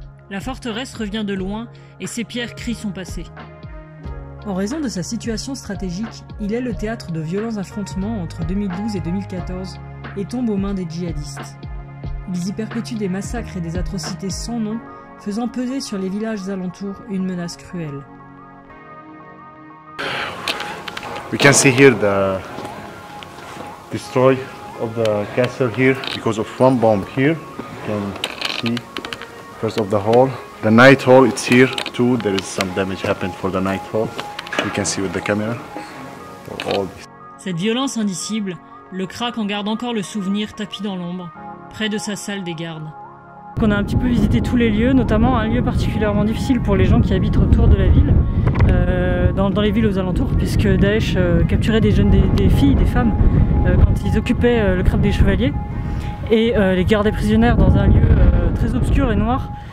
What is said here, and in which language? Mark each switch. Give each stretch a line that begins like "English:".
French: La forteresse revient de loin et ses pierres crient son passé. En raison de sa situation stratégique, il est le théâtre de violents affrontements entre 2012 et 2014 et tombe aux mains des djihadistes. Ils y perpétuent des massacres et des atrocités sans nom, faisant peser sur les villages alentours une menace cruelle.
English: We can see here the destroy of the castle here because of one bomb here. You can see first of the hall, the night hall. It's here too. There is some damage happened for the night hall. You can see with the camera for all this.
French: Cette violence indicible, le krach en garde encore le souvenir tapis dans l'ombre, près de sa salle des gardes. On a un petit peu visité tous les lieux, notamment un lieu particulièrement difficile pour les gens qui habitent autour de la ville, dans les villes aux alentours, puisque Daesh capturait des jeunes, des filles, des femmes, quand ils occupaient le krach des chevaliers, et les gardaient prisonnières dans un lieu très obscur et noir.